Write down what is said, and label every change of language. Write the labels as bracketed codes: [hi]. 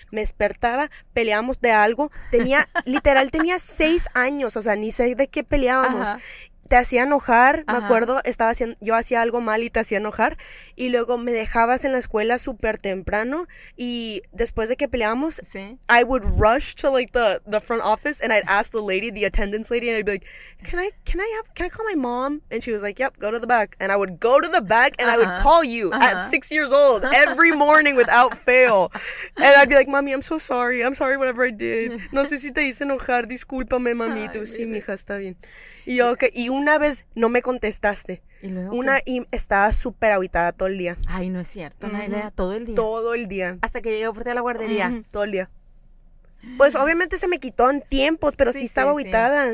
[es] Me despertaba, peleábamos de algo. Tenía, literal, tenía 6 años, o sea, ni sé de qué peleábamos. Ajá. te hacía enojar, ajá, me acuerdo, estaba haciendo, yo hacía algo mal y te hacía enojar, y luego me dejabas en la escuela súper temprano, y después de que peleábamos, ¿sí? [en] I would rush to, like, the front office, and I'd ask the lady, the attendance lady, and I'd be like, can I call my mom? And she was like, yep, go to the back. And I would go to the back, and uh-huh, I would call you, uh-huh, at 6 years old, every morning without fail. And I'd be like, mami, I'm sorry, whatever I did. [es] No sé si te hice enojar, discúlpame, mami. Tú, sí, mija, está bien. Y yo, okay. Y una vez no me contestaste. ¿Y luego una qué? Y estaba súper aguitada todo el día. Ay, no es cierto. Uh-huh. Nadie le da todo el día. Todo el día. Hasta que llegué por ti a la guardería. Uh-huh. Todo el día. Pues obviamente se me quitó en tiempos, pero sí, sí estaba aguitada.